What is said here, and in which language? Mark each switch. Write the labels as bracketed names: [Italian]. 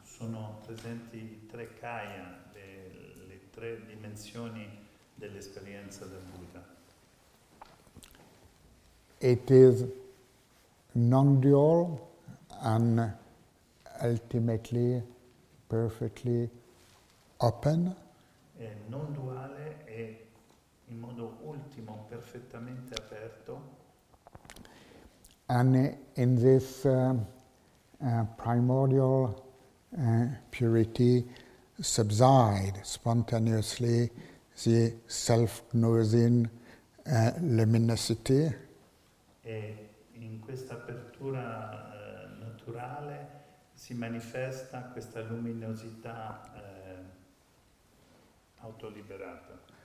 [Italian] Sono presenti tre kaya, le tre dimensioni dell'esperienza del Buddha. [English] It is non-dual and ultimately perfectly open. [Italian] È non duale e in modo ultimo perfettamente aperto. [English] And in this primordial purity subside spontaneously the self-knowing luminosity. [Italian] E in questa apertura naturale si manifesta questa luminosità autoliberata.